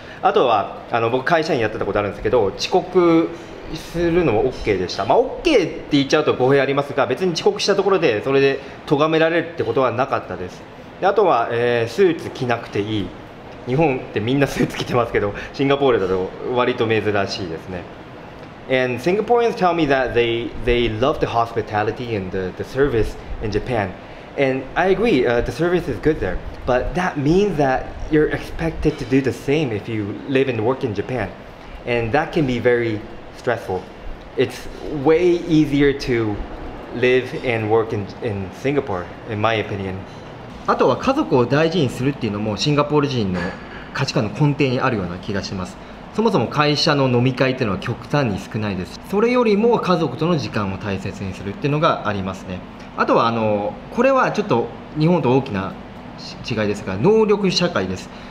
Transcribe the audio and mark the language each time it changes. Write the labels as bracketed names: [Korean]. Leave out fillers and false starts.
[Japanese] あとは僕会社員やってたことあるんですけど、遅刻するのも OK でした。まあ OK って言っちゃうと語弊ありますが、別に遅刻したところでそれで咎められるってことはなかったです。であとは、スーツ着なくていい、日本ってみんなスーツ着てますけど、シンガポールだと割と珍しいですね。 [English] And Singaporeans tell me that they love the hospitality and the service in Japan. And I agree, the service is good there. But that means that you're expected to do the same if you live and work in Japan. And that can be very stressful. It's way easier to live and work in Singapore, in my opinion. [Japanese] あとは家族を大事にするっていうのもシンガポール人の価値観の根底にあるような気がします。そもそも会社の飲み会っていうのは極端に少ないです。それよりも家族との時間を大切にするっていうのがありますね。あとはこれはちょっと日本と大きな違いですが、能力社会です。